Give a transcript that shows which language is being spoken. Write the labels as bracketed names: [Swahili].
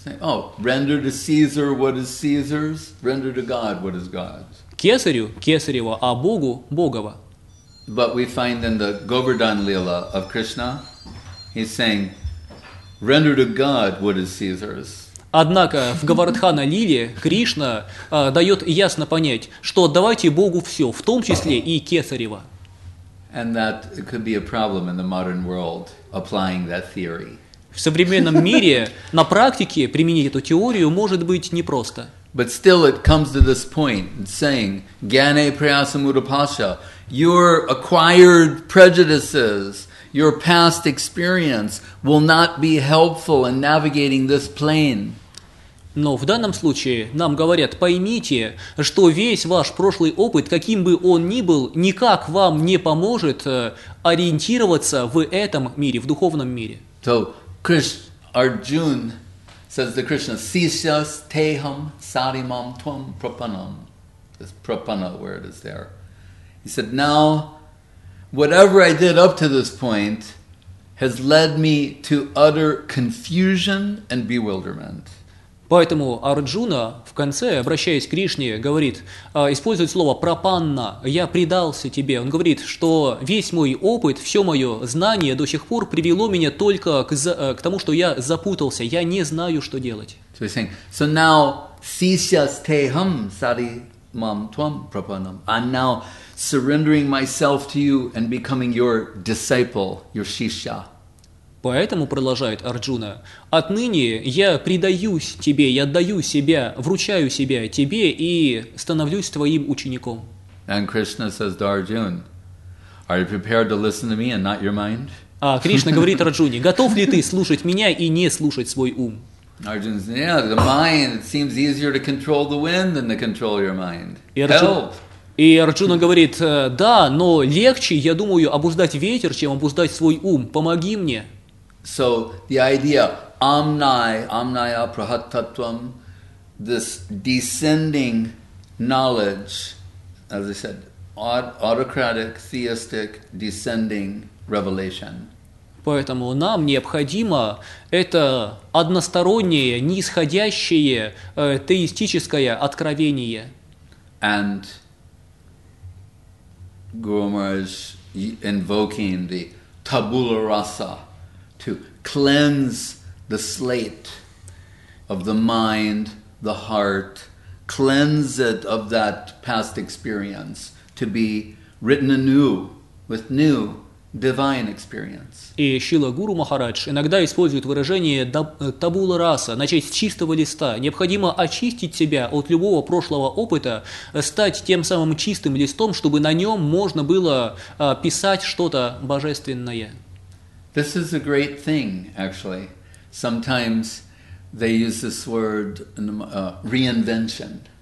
[English] Oh, render to Caesar what is Caesar's, render to God what is God's. [Russian] Кесарю – кесарево, а Богу – Богово. [English] But we find in the Govardhan Lila of Krishna, he's saying, render to God what is Caesar's. [Russian] Однако в Говардхана Лиле Кришна дает ясно понять, что давайте Богу все, в том числе и кесарево. [English] And that could be a problem in the modern world, applying that theory. [Russian] В современном мире на практике применить эту теорию может быть непросто. [English] But still it comes to this point, saying, [Sanskrit] Gyane Prayasam Udapasya, [English] your acquired prejudices, your past experience will not be helpful in navigating this plane. [Russian] Но в данном случае нам говорят, поймите, что весь ваш прошлый опыт, каким бы он ни был, никак вам не поможет ориентироваться в этом мире, в духовном мире. [English] So, Arjun says to Krishna, [Sanskrit] Sishas Teham Sarimam Tvam Prapanam. [English] This Prapana word is there. He said, now, whatever I did up to this point has led me to utter confusion and bewilderment. [Russian] Поэтому Арджуна в конце, обращаясь к Кришне, говорит, использует слово «пропанна», «я предался тебе». Он говорит, что весь мой опыт, все мое знание до сих пор привело меня только к тому, что я запутался, я не знаю, что делать. [English] So he's saying, so now [Russian] сейчас [Sanskrit] тэхам саримам твам пропаннам. [English] I'm now surrendering myself to you and becoming your disciple, your шишья. [Russian] Поэтому, продолжает Арджуна, отныне я предаюсь тебе, я отдаю себя, вручаю себя тебе и становлюсь твоим учеником. [English] And Krishna says to Arjun, are you prepared to listen to me and not your mind? [Russian] А Кришна говорит Арджуне, готов ли ты слушать меня и не слушать свой ум? [English] Arjun says, yeah, the mind, it seems easier to control the wind than to control your mind. Help! [Russian] И Арджуна говорит, да, но легче, я думаю, обуздать ветер, чем обуздать свой ум. Помоги мне. [English] So the idea [Sanskrit] amnai, amnaya prahatattvam, [English] this descending knowledge, as I said, autocratic, theistic, descending revelation. [Russian] Поэтому нам необходимо это одностороннее, нисходящее, теистическое откровение. [English] And Guru Maharaj invoking the tabula rasa to cleanse the slate of the mind, the heart, cleanse it of that past experience to be written anew with new divine experience. [Russian] И Шрила Гуру Махарадж иногда использует выражение табула раса, начать с чистого листа. Необходимо очистить себя от любого прошлого опыта, стать тем самым чистым листом, чтобы на нем можно было писать что-то божественное. [English] This is a great thing, actually. Sometimes they use this word reinvention.